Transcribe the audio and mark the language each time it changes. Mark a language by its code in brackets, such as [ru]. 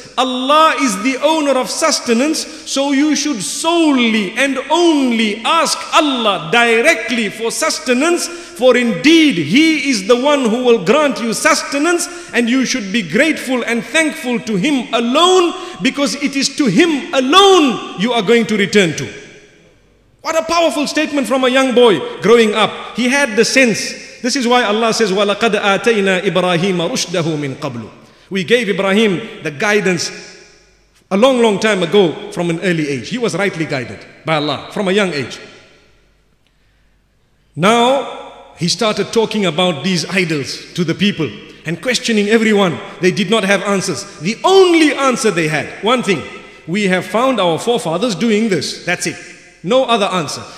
[en] Allah is the owner of sustenance, so you should solely and only ask Allah directly for sustenance, for indeed He is the one who will grant you sustenance, and you should be grateful and thankful to Him alone, because it is to Him alone you are going to return to. What a powerful statement from a young boy growing up. He had the sense. This is why Allah says, [ar] وَلَقَدْ آتَيْنَا إِبْرَاهِيمَ رُشْدَهُ مِنْ قَبْلُ. [en] We gave Ibrahim the guidance a long, long time ago from an early age. He was rightly guided by Allah from a young age. Now he started talking about these idols to the people and questioning everyone. They did not have answers. The only answer they had, one thing, we have found our forefathers doing this. That's it. No other answer.